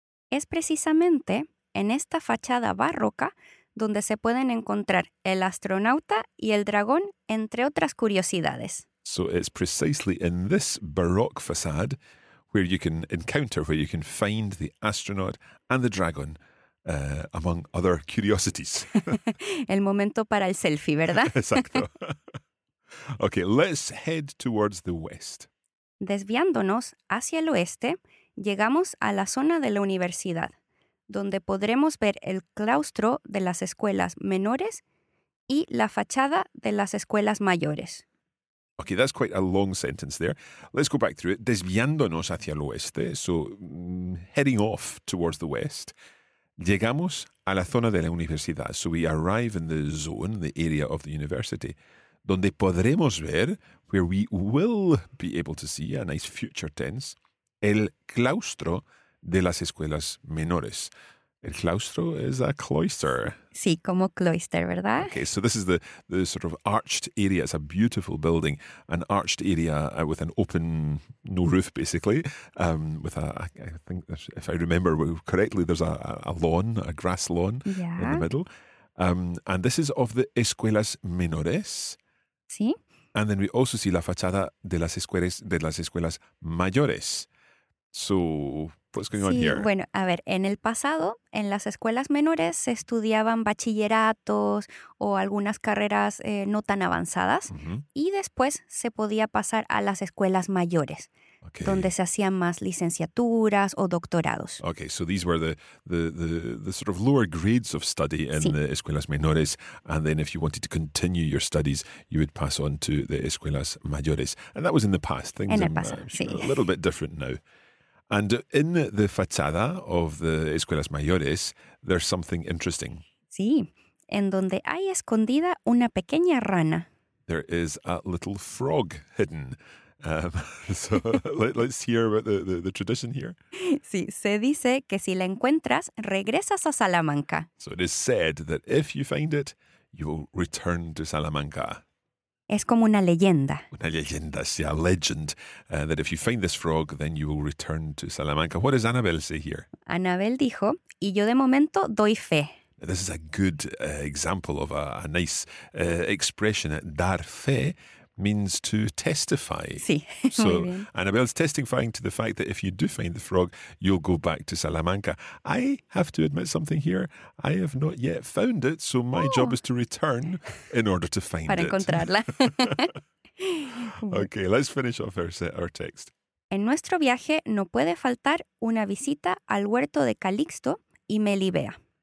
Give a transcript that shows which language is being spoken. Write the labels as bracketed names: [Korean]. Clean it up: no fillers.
[Spanish] Es precisamente en esta fachada barroca donde se pueden encontrar el astronauta y el dragón, entre otras curiosidades. [English] So it's precisely in this Baroque facade where you can encounter, where you can find the astronaut and the dragon, among other curiosities. [Spanish] El momento para el selfie, ¿verdad? Exacto. [English] Okay, let's head towards the west. [Spanish] Desviándonos hacia el oeste, llegamos a la zona de la universidad, donde podremos ver el claustro de las escuelas menores y la fachada de las escuelas mayores. [English] Okay, that's quite a long sentence there. Let's go back through it. [Spanish] Desviándonos hacia el oeste, [English] so heading off towards the west, [Spanish] llegamos a la zona de la universidad. [English] So we arrive in the zone, the area of the university, [Spanish] donde podremos ver, [English] where we will be able to see, a nice future tense, [Spanish] el claustro de las escuelas menores. [English] El claustro is a cloister. [Spanish] Sí, como cloister, ¿verdad? [English] Okay, so this is the sort of arched area. It's a beautiful building, an arched area with an open, no roof, basically. With a, I think, if I remember correctly, there's a lawn, a grass lawn yeah. in the middle. And this is of the escuelas menores. [Spanish] Sí. [English] And then we also see [Spanish] la fachada de las escuelas mayores. [English] So, what's going [Spanish] sí, [English] on here? [Spanish] Bueno, a ver, en el pasado, en las escuelas menores se estudiaban bachilleratos o algunas carreras no tan avanzadas y después se podía pasar a las escuelas mayores, [English] okay. [Spanish] donde se hacían más licenciaturas o doctorados. [English] Okay, so these were the sort of lower grades of study in [Spanish] sí. [English] the escuelas menores, and then if you wanted to continue your studies, you would pass on to the escuelas mayores. And that was in the past. Things [Spanish] en el pasado, [English] are, [Spanish] sí. [English] A little bit different now. And in the fachada of the escuelas mayores, there's something interesting. [Spanish] Sí, en donde hay escondida una pequeña rana. [English] There is a little frog hidden. So let's hear about the tradition here. [Spanish] Sí, se dice que si la encuentras, regresas a Salamanca. [English] So it is said that if you find it, you will return to Salamanca. [Spanish] Es como una leyenda. Una leyenda, sí, [English] a legend. That if you find this frog, then you will return to Salamanca. What does Annabelle say here? [Spanish] Annabelle dijo, y yo de momento doy fe. [English] This is a good example of a nice expression. Dar fe means to testify. [Spanish] Sí. [English] So Annabelle's testifying to the fact that if you do find the frog, you'll go back to Salamanca. I have to admit something here. I have not yet found it, so my job is to return in order to find [Spanish] Para encontrarla. [English] Okay, let's finish off our text. [Spanish] En nuestro viaje no puede faltar una visita al huerto de Calixto y Melibea.